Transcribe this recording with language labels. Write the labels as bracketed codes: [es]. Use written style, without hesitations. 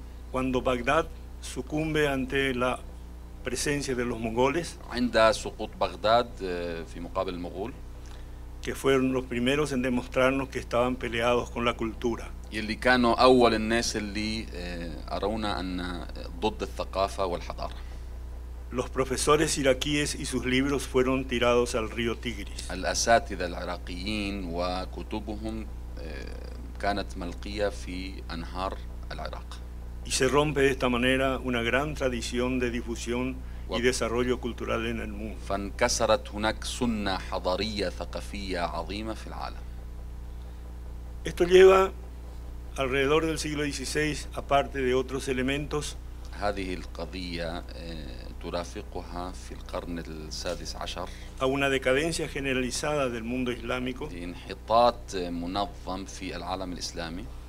[es] Cuando Bagdad sucumbe ante la presencia de los mongoles. [ar] عند سقوط بغداد في مقابل المغول. [es] Que fueron los primeros en demostrarnos que estaban peleados con la cultura. Y [ar] اللي كانوا أول الناس اللي أرونا أن ضد الثقافة والحضارة. [es] Los profesores iraquíes y sus libros fueron tirados al río Tigris. [ar] الأساتذة العراقيين وكتبهم كانت ملقية في أنهار العراق. [es] Y se rompe de esta manera una gran tradición de difusión y desarrollo cultural en el mundo. [ar] فانكسرت هناك سنة حضارية ثقافية عظيمة في العالم. [es] Esto lleva alrededor del siglo XVI, aparte de otros elementos. [ar] هذه القضية ترافقها في القرن السادس عشر. [es] A una decadencia generalizada del mundo islámico. [ar] انحطاط منظم في العالم الإسلامي.